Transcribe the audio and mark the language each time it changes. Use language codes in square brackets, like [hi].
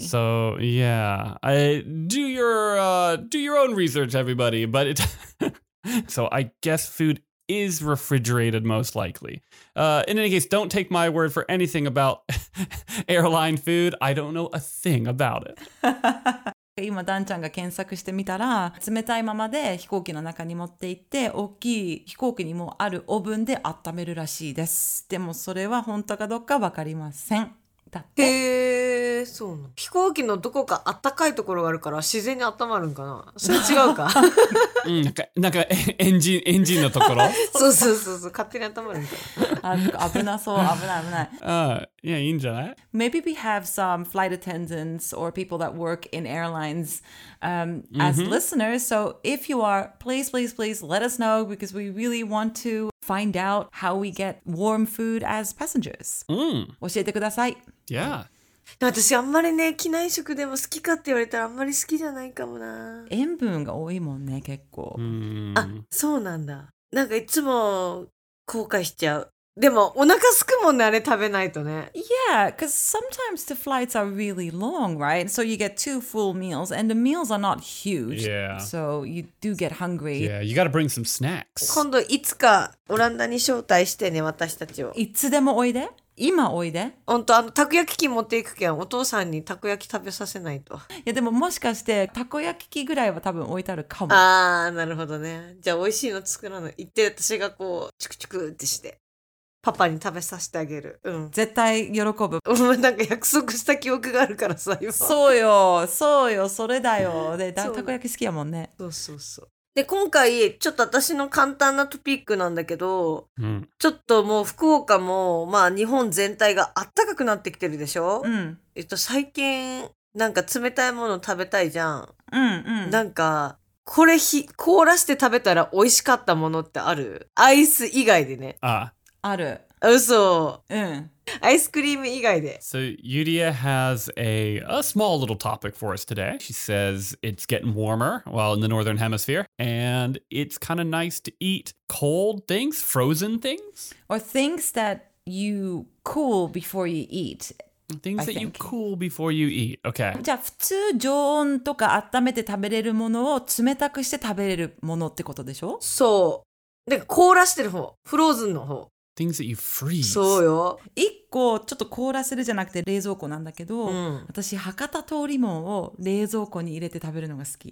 [en] So, yeah. I, do your own research, everybody. But it, so I guess food is refrigerated most likely. In any case, don't take my word for anything about airline food. I don't know a thing about it. [ja] 今ダンちゃんが検索してみたら冷たいままで飛行機の中に持って行って大きい飛行機にもあるオーブンで温めるらしいです。でもそれは本当かどうか分かりません。だってへー、そうな、飛行機のどこか温かいところがあるから自然に温まるんかな。それ違うか。うん、なんかエンジンのところそうそうそうそう、勝手に温まるんかな。危なそう。危ない。いや、いいんじゃない。 [en] Maybe we have some flight attendants or people that work in airlines、as mm-hmm. listeners. So if you are, please let us know, because we really want to find out how we get warm food as passengers.、 Mm. [ja] 教えてください。 [en] Yeah. [ja] 私あんまりね、機内食でも好きかって言われたらあんまり好きじゃないかもな。塩分が多いもんね、結構。 Mm. あ、そうなんだ。なんかいつも後悔しちゃう。でもお腹すくもんね、あれ食べないとね。 [en] Yeah, because sometimes the flights are really long, right? So you get two full meals, and the meals are not huge. Yeah. So you do get hungry. Yeah, you gotta bring some snacks. [ja] 今度いつかオランダに招待してね、私たちを。いつでもおいで。今おいで。ほんと、あの、たこ焼き器持っていくけん、お父さんにたこ焼き食べさせないと。いや、でももしかして、たこ焼き器ぐらいは多分置いてあるかも。あー、なるほどね。じゃあ、おいしいの作らない。行って、私がこう、チクチクってして。パパに食べさせてあげる、うん、絶対喜ぶ。なんか約束した記憶があるからさ、今。そうよ、そうよ、それだよ。で、たこ焼き好きやもんね。そうそうそう。で、今回ちょっと私の簡単なトピックなんだけど、うん、ちょっともう福岡も、まあ日本全体があったかくなってきてるでしょ、うん、最近なんか冷たいもの食べたいじゃん、うんうん、なんかこれ凍らして食べたら美味しかったものってある？アイス以外でね。ある。嘘。うん。アイスクリーム以外で。 [en] So Yuria has a small little topic for us today. She says it's getting warmer, well, in the northern hemisphere, and it's kind of nice to eat cold things, frozen things, or things that you cool before you eat. Things that you cool before you eat. Okay. [ja] じゃあ普通常温とか温めて食べれるものを冷たくして食べれるものってことでしょ？そう。で、凍らしてる方、フローズンの方。 [en] things that you freeze. [ja] そうよ。一個ちょっと凍らせるじゃなくて冷蔵庫なんだけど、うん、私博多通りもんを冷蔵庫に入れて食べるのが好き。